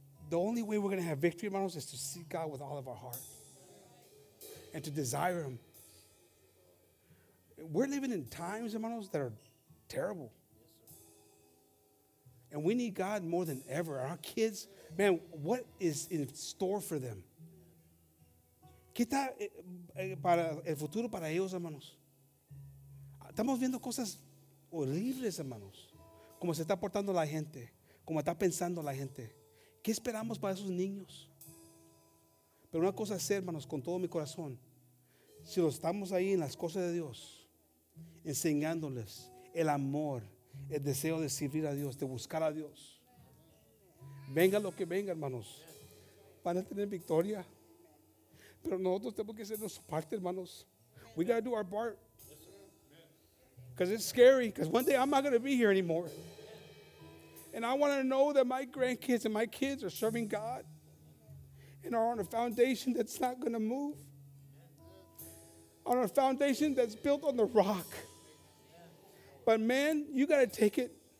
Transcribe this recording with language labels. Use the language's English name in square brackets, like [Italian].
[English] The only way we're going to have victory, hermanos, is to seek God with all of our heart and to desire him. We're living in times, hermanos, that are terrible. And we need God more than ever. Our kids, man, what is in store for them? [Spanish] ¿Qué está para el futuro para ellos, hermanos? Estamos viendo cosas horribles, hermanos. Cómo se está portando la gente. Cómo está pensando la gente. ¿Qué esperamos para esos niños? Pero una cosa es, hermanos, con todo mi corazón. Si lo estamos ahí en las cosas de Dios, enseñándoles el amor, el deseo de servir a Dios, de buscar a Dios. Venga lo que venga, hermanos. Van a tener victoria. Pero nosotros tenemos que hacer nuestra parte, hermanos. [English] We got to do our part. Because it's scary. Because one day I'm not going to be here anymore. And I want to know that my grandkids and my kids are serving God. And are on a foundation that's not going to move. on a foundation that's built on the rock. But man, you got to take it.